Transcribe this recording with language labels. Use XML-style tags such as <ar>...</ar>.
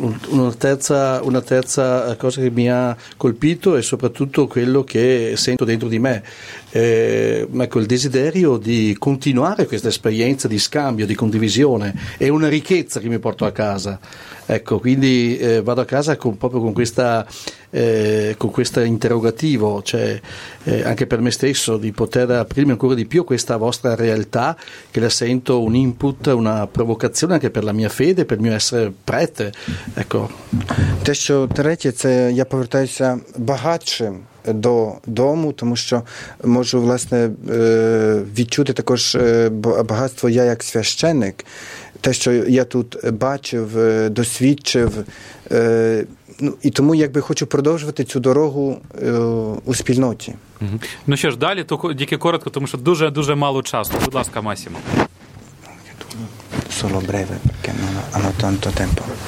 <it>Una terza cosa che mi ha colpito è soprattutto quello che sento dentro di me, ecco, il desiderio di continuare questa esperienza di scambio, di condivisione, è una ricchezza che mi porto a casa, ecco, quindi vado a casa con questo interrogativo, cioè anche per me stesso, di poter aprirmi ancora di più questa vostra realtà, che la sento un input, una provocazione anche per la mia fede, per il mio essere prete, ecco.</it> <uk>Те, що третє, це я повертаюся багатшим до дому, тому що можу, власне, відчути також багатство я як священник. Те, що я тут бачив, досвідчив, ну, і тому якби хочу продовжувати цю дорогу у спільноті. Угу. Ну що ж, далі, тільки коротко, тому що дуже-дуже мало часу. Будь ласка, Масімо.</uk> <it>Solo breve perché non hanno tanto tempo.</it>